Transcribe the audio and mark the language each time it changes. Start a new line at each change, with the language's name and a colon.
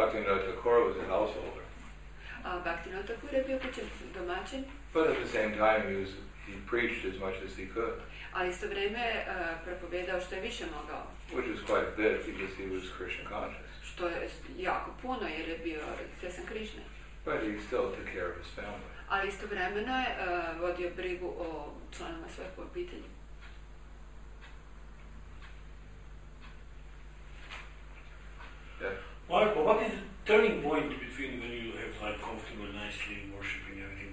English: Bhaktivinoda Thakura was a householder.
Croatian: Bhaktivinoda Thakura je bio kućan domaćin.
English: But at the same time, he preached as much as he could.
Croatian: Ali isto vrijeme propovedao što je više mogao.
English: Which was quite a bit because he was Krishna conscious.
Croatian: Što je jako puno jer je bio svjesan Krishna.
English: But he still took care of his family.
Croatian: Ali isto vremeno je vodio brigu o članima svojeg obitelji.
English: Yeah. What is the turning point between when you have like comfortable, nicely worshipping everything?